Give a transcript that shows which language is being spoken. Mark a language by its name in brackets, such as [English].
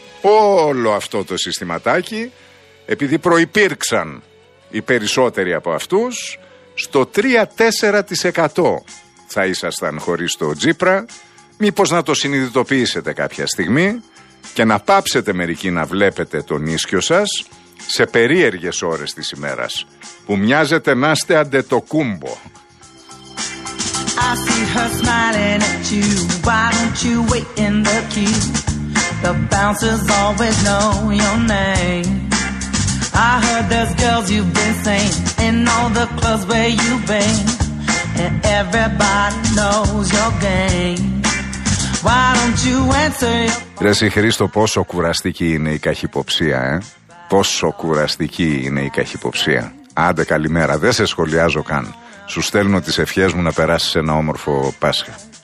[Greek] Όλο αυτό το συστηματάκι, επειδή προϋπήρξαν οι περισσότεροι από αυτούς, στο 3-4% θα ήσασταν χωρίς το Τσίπρα. Μήπως να το συνειδητοποιήσετε κάποια στιγμή και να πάψετε μερικοί να βλέπετε τον ίσκιο σας σε περίεργες ώρες της ημέρας, που μοιάζετε να είστε αντε το κούμπο. [English] I see her smiling at you. Why don't you wait in the queue? The bouncers always know your name. I heard there's girls you've been seeing in all the clubs where you've been, and everybody knows your game. Why don't you answer your... [Greek] Ρε Χρήστο, πόσο κουραστική είναι η καχυποψία, Πόσο κουραστική είναι η καχυποψία. Άντε καλημέρα, δεν σε σχολιάζω καν. Σου στέλνω τις ευχές μου να περάσεις ένα όμορφο Πάσχα.